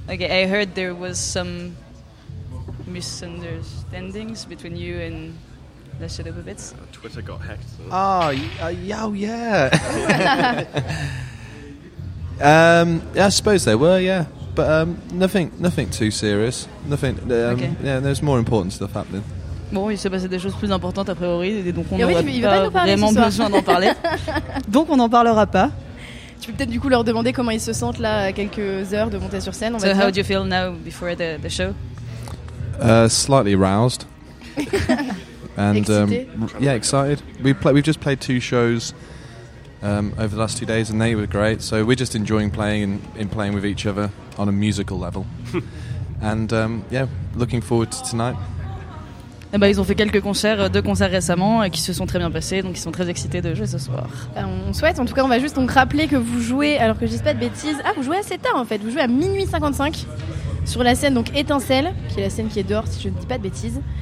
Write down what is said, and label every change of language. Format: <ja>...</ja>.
<en>Ok, I heard there was some misunderstandings between you and the Shadow Puppets. Twitter got hacked. I suppose they were, yeah, but nothing too serious. Okay. Yeah, there's more important stuff happening.</en> <fr>Bon, il s'est passé des choses plus importantes a priori, et donc on n'aurait pas vraiment besoin d'en parler. Donc on n'en parlera pas. Tu peux peut-être du coup leur demander comment ils se sentent là à quelques heures de monter sur scène.</fr> <en>So how do you feel now before the show? Slightly aroused and excited. We've just played two shows over the last 2 days and they were great, so we're just enjoying playing and in playing with each other on a musical level. And looking forward to tonight.</en> <fr>Et bah, ils ont fait quelques concerts, deux concerts récemment, et qui se sont très bien passés, donc ils sont très excités de jouer ce soir. On souhaite, en tout cas on va juste donc rappeler que vous jouez, alors que je dis pas de bêtises, vous jouez assez tard en fait, vous jouez à 00h55 sur la scène donc Étincelle, qui est la scène qui est dehors, si je ne dis pas de bêtises.</fr>